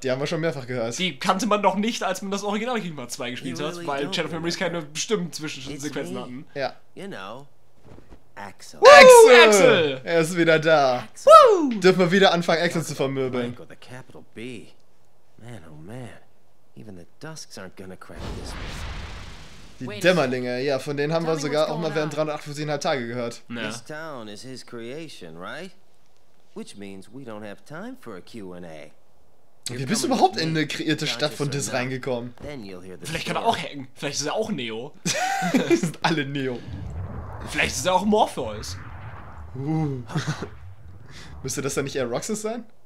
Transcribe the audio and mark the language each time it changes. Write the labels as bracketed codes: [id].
[de] Die haben wir schon mehrfach gehört. Die kannte man noch nicht, als man das Original Kingdom Hearts 2 gespielt hat, weil Channel of Memories keine Stimmen zwischen Sequenzen hatten. [en] Ja. You know, Axel! [de] Er ist wieder da. Woo! Dürfen wir wieder anfangen, Axel zu vermöbeln. Man, oh man. [en] Even the dusks aren't gonna crack this. [de] Die Dämmerlinge, ja, von denen haben wir sogar auch mal während 358,5 Tage gehört. Nee. [en] This town is his creation, right? Which means we don't have time for a Q&A. [de] Wie bist du überhaupt in eine kreierte Stadt von Diss reingekommen? Vielleicht kann er auch hängen. Vielleicht ist er auch Neo. Die sind alle Neo. Vielleicht ist er auch Morpheus. Müsste das dann nicht eher Roxas sein?